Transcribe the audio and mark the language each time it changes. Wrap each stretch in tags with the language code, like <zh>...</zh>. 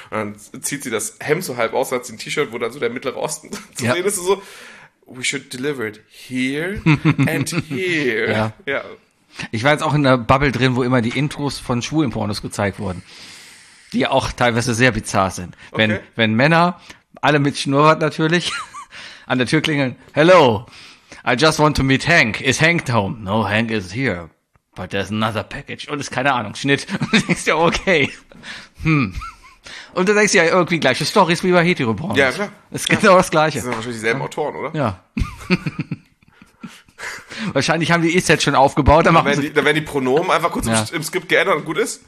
<de>Und dann zieht sie das Hemd so halb aus, hat sie ein T-Shirt, wo dann so der Mittlere Osten zu sehen ist.</de> <en>So, we should deliver it here and here.</en> <de>Ja. Ich war jetzt auch in der Bubble drin, wo immer die Intros von schwulen Pornos gezeigt wurden, die auch teilweise sehr bizarr sind. Wenn, okay, wenn Männer, alle mit Schnurrbart natürlich, an der Tür klingeln,</de> <en>hello, I just want to meet Hank, is Hank home? No, Hank is here, but there's another package.</en> <de>Und ist keine Ahnung, Schnitt. Und du denkst ja, okay. Und du denkst ja, irgendwie gleiche Stories wie bei Hetero-Pornos. Ja, klar. Es gibt auch das Gleiche. Das sind wahrscheinlich dieselben Autoren, oder? Ja. Wahrscheinlich haben die E-Set schon aufgebaut. Dann werden, da werden die Pronomen einfach kurz im Skript geändert und gut ist.</de>